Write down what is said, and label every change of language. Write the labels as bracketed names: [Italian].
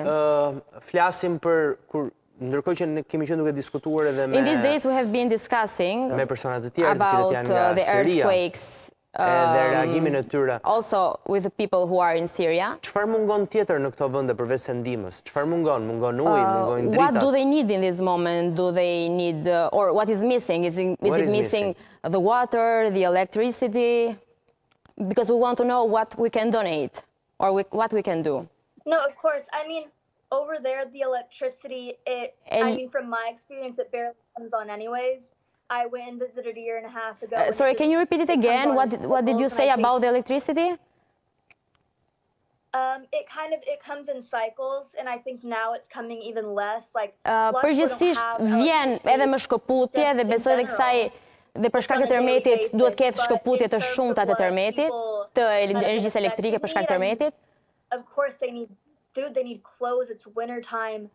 [Albanian] Nicole, flasim për kur ndërkohë që ne kemi qenë duke diskutuar edhe [English] me In these days we have been discussing [Albanian] me personat e tjerë about [English] the earthquakes [Albanian] dhe reagimin e tyre. [English] Also with the people who are in Syria. [Albanian] Çfarë mungon tjetër në këto vende përveç sendimës? Çfarë mungon? Mungon ujë, mungon drita. [English] What do they need in this moment? Do they need or what is missing? Is it missing the water, the electricity? Because we want to know what we can donate or what we can do. No, of course. I mean over there the electricity from my experience it barely comes on anyways. I went and visited a year and a half ago. Sorry, can you repeat it again? What did you say about the electricity? It comes in cycles, and I think now it's coming even less. [Albanian] Përgjithsisht vjen edhe më shkëputje dhe besoj edhe kësaj dhe për shkak të tërmetit duhet të ketë shkëputje të shumta të tërmetit, të energjisë elektrike për shkak të tërmetit. [English] Of course they need food, they need clothes, it's winter time.